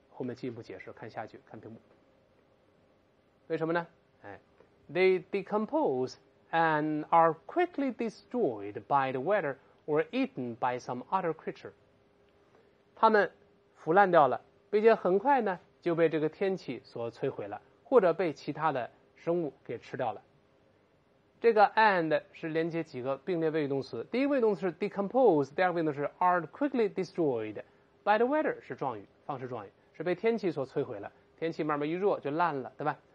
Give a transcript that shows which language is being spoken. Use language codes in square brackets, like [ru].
[zh] 后面进一步解释，看下去，看屏幕。为什么呢？ [en] They decompose and are quickly destroyed by the weather or eaten by some other creature. [zh] 他们腐烂掉了，并且很快呢就被这个天气所摧毁了，或者被其他的生物给吃掉了。这个 and 是连接几个并列谓语动词，第一位动词是 decompose， 第二位动词是 [en] are quickly destroyed by the weather， [zh] 是状语，方式状语，是被天气所摧毁了，天气慢慢一弱就烂了，对吧？